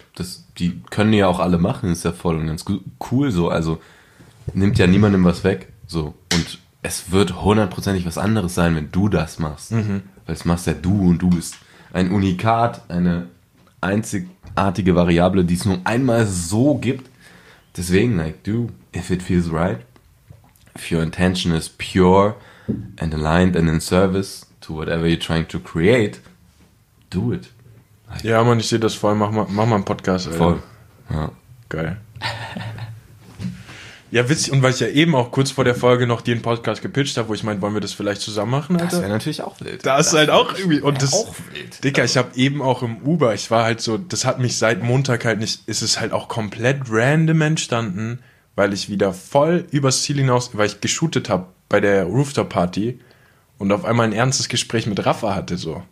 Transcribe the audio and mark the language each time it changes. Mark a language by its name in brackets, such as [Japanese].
[German] Also, die können ja auch alle machen, ist ja voll und ganz cool so. Also nimmt ja niemandem was weg. So. Und es wird hundertprozentig was anderes sein, wenn du das machst. Mhm. Weil es machst ja du und du bist ein Unikat, eine einzigartige Variable, die es nur einmal so gibt. [English] Deswegen, like, du, if it feels right, if your intention is pure and aligned and in service to whatever you're trying to create, do it. [German] Like, ja, Mann, ich sehe das voll. Mach mal einen Podcast, Alter. Voll. Ja. Geil. Ja, witzig, und weil ich ja eben auch kurz vor der Folge noch den Podcast gepitcht habe, wo ich meinte, wollen wir das vielleicht zusammen machen, Alter? Das wäre natürlich auch wild. Das ist halt auch irgendwie, und das, auch wild. Dicker, ich habe eben auch im Uber, ich war halt so, das hat mich seit Montag halt nicht, ist es halt auch komplett random entstanden, weil ich wieder voll übers Ziel hinaus, weil ich geshootet habe bei der Rooftop-Party und auf einmal ein ernstes Gespräch mit Rafa hatte, so.